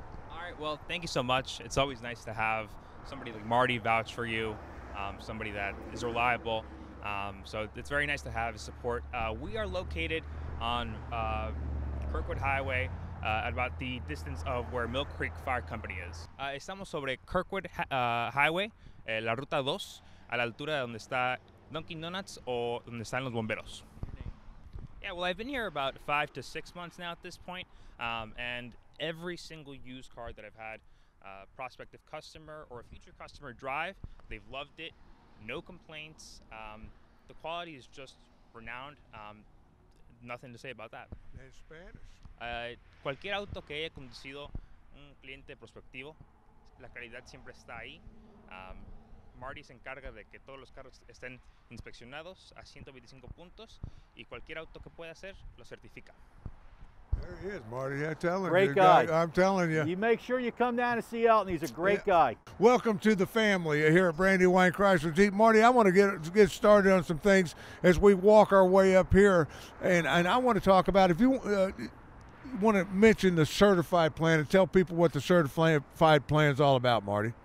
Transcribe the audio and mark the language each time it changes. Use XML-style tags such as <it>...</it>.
<en>All right, well, thank you so much. It's always nice to have somebody like Marty vouch for you, somebody that is reliable. So it's very nice to have his support. We are located on Kirkwood Highway, at about the distance of where Mill Creek Fire Company is.</en> <es>Estamos sobre Kirkwood Highway, la Ruta 2, a la altura de donde está Dunkin' Donuts o donde están los bomberos.</es> <en>Yeah, well, I've been here about 5 to 6 months now at this point, and every single used car that I've had a prospective customer or a future customer drive, they've loved it, no complaints. The quality is just renowned. Nothing to say about that. In Spanish.</en> <es>Cualquier auto que haya conducido un cliente prospectivo, la calidad siempre está ahí. Marty se encarga de que todos los carros estén inspeccionados a 125 puntos, y cualquier auto que pueda hacer lo certifica.</es> <en>There he is, Marty. I'm telling great you. Guy. I'm telling you. You make sure you come down and see Elton. He's a great guy. Welcome to the family here at Brandywine Chrysler Jeep. Marty, I want to get started on some things as we walk our way up here. And I want to talk about, if you want to mention the certified plan and tell people what the certified plan is all about, Marty.</en>